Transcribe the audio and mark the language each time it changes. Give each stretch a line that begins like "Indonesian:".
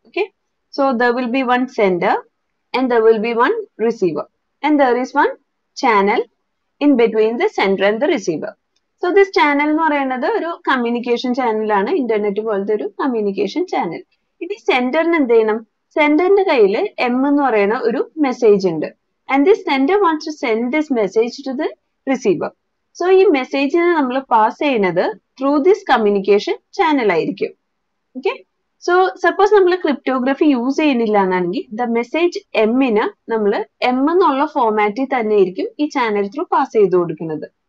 English: Okay, so there will be one sender and there will be one receiver and there is one channel in between the sender and the receiver. So this
Malayalam: channel എന്ന് പറയുന്നത് ഒരു communication ചാനലാണ്, internet പോലത്തെ ഒരു communication channel. ഇനി സെൻഡറിന് എന്ത് ചെയ്യണം? സെൻഡറിന്റെ കയ്യിൽ എം എന്ന് പറയുന്ന ഒരു മെസ്സേജ് ഉണ്ട്.
English: And this sender wants to send this message to the receiver. So,
Malayalam: ഈ മെസ്സേജിനെ നമ്മൾ പാസ് ചെയ്യുന്നത്
English: through this communication channel
Malayalam: ആയിരിക്കും.
English: okay, so suppose
Malayalam: നമ്മൾ ക്രിപ്റ്റോഗ്രഫി യൂസ് ചെയ്യുന്നില്ല എന്നാണെങ്കിൽ ദ മെസ്സേജ് എമ്മിന് നമ്മൾ എം എന്നുള്ള ഫോർമാറ്റിൽ തന്നെ ആയിരിക്കും ഈ ചാനൽ ത്രൂ പാസ് ചെയ്ത് കൊടുക്കുന്നത്.